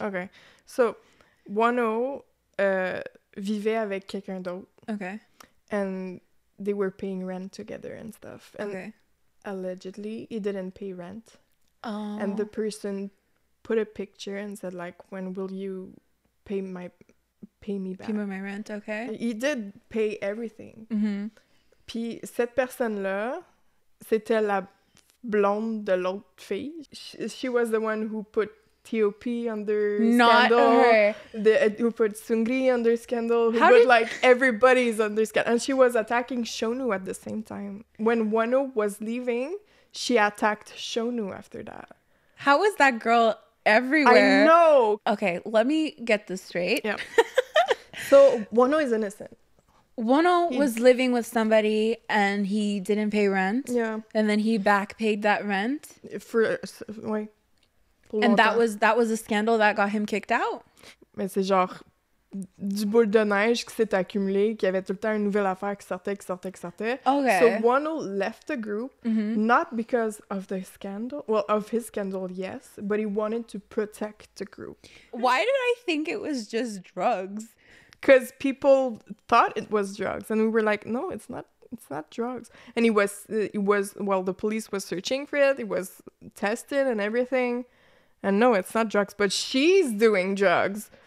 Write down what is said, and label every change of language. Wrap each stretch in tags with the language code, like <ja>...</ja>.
<fr>Okay, so Wano vivait avec quelqu'un d'autre.</fr> <en>Okay. And they were paying rent together and stuff. And okay. Allegedly, he didn't pay rent. Oh. And the person put a picture and said, like, when will you pay me back? Pay me my rent, okay. He did pay everything. Mm-hmm.</en> <fr>Puis cette personne-là, c'était la blonde de l'autre fille.</fr> <en>She was the one who put T.O.P. under Not scandal. Not her. Who put Seungri under scandal. Everybody's under scandal. And she was attacking Seonwoo at the same time. When Wano was leaving, she attacked Seonwoo after that. How is that girl everywhere? I know. Okay, let me get this straight. Yeah. So Wano is innocent. Wano was living with somebody and he didn't pay rent. Yeah. And then he back paid that rent. That was a scandal that got him kicked out.</en> <fr>Mais c'est genre du boule de neige qui s'est accumulé, qui avait tout le temps une nouvelle affaire qui sortait.</fr> <en>Okay. So Wano left the group, mm-hmm. not because of the scandal. Well, of his scandal, yes, but he wanted to protect the group. Why did I think it was just drugs? Because people thought it was drugs, and we were like, no, it's not. It's not drugs. And he was, the police was searching for it. It was tested and everything. And no, it's not drugs, but she's doing drugs.</en>